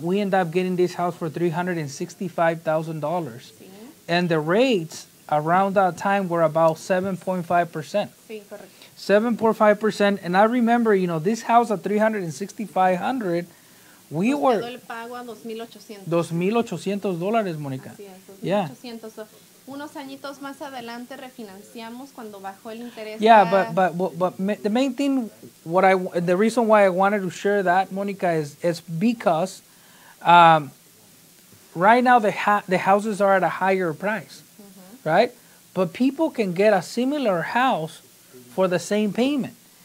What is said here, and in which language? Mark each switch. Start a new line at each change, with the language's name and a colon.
English: We ended up getting this house for $365,000.
Spanish: Sí.
English: And the rates around that time were about 7.5%.
Spanish: Sí, correcto.
English: 7.5%. And I remember, you know, this house at $365,000, we were...
Spanish: Nos quedó el pago a $2,800. $2,800, Mónica. Así es, $2,800.
English: Yeah.
Spanish: Unos añitos más adelante refinanciamos cuando bajó el interés.
English: Yeah, but the main thing, the reason why I wanted to share that, Mónica, is because right now the houses are at a higher price. Right? But people can get a similar house for the same payment.